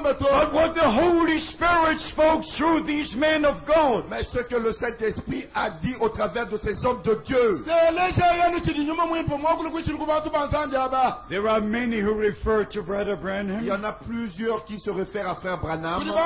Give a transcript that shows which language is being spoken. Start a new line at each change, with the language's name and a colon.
English: but what the Holy Spirit spoke through these men of God.
French: Mais ce que le Saint-Esprit a dit au travers de ces hommes de Dieu.
English: There are many who refer to Brother Branham.
French: Il y en a plusieurs qui se réfèrent à Frère Branham.